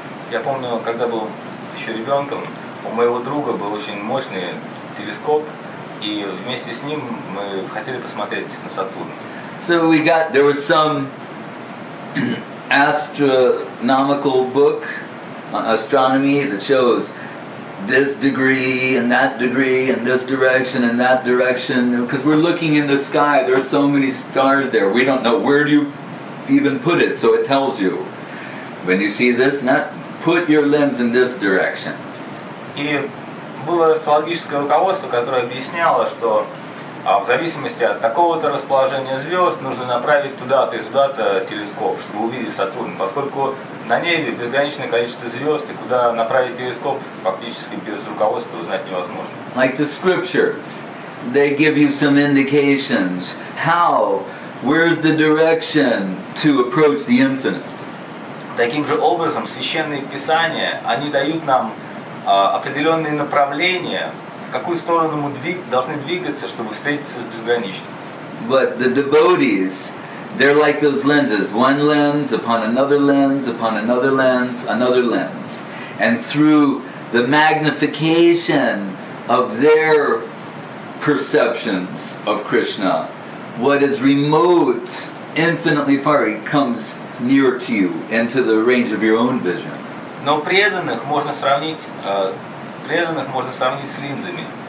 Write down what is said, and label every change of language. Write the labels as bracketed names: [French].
[Russian] Я помню, когда был еще ребенком, у моего друга был очень мощный телескоп, и вместе с ним мы хотели посмотреть на Сатурн. [English] So we got, there was some astronomical book, astronomy, that shows this degree and that degree and this direction and that direction, because we're looking in the sky, there are so many stars there, we don't know where do you even put it, so it tells you when you see this, not put your lens in this direction. [Russian] И было астрологическое руководство, которое объясняло, что А в зависимости от такого-то расположения звезд нужно направить туда-то и туда-то телескоп, чтобы увидеть Сатурн. Поскольку на небе безграничное количество звезд, и куда направить телескоп, фактически без руководства узнать невозможно. [English] Like the scriptures, they give you some indications. How? Where's the direction to approach the infinite? [Russian] Таким же образом, священные писания, они дают нам определенные направления, в какую сторону мы должны двигаться, чтобы встретиться с безграничным. [English] But the devotees, they're like those lenses. One lens upon another lens upon another lens, another lens. And through the magnification of their perceptions of Krishna, what is remote, infinitely far, it comes near to you, into the range of your own vision. [Russian] Но преданных можно сравнить с линзами.